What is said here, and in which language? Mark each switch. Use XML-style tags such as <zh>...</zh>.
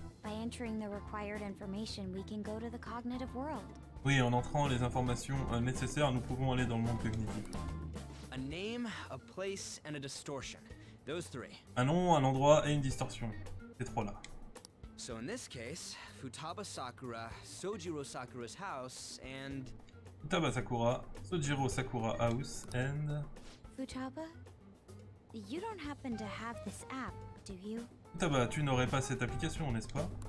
<en>By entering the required information, we can go to the cognitive world.</en> <fr>Oui, en entrant les informations nécessaires, nous pouvons aller dans le monde cognitif.</fr> <en>A name, a place and a distortion. Those three.</en> <fr>Un nom, un endroit et une distorsion. Ces trois-là.</fr> <en>So in this case, Futaba Sakura, Sojiro Sakura's house and Futaba Sakura, Sojiro Sakura house and Futaba, you don't happen to have this app, do you?</en> <fr>Futaba, tu n'aurais pas cette application, n'est-ce pas?</fr>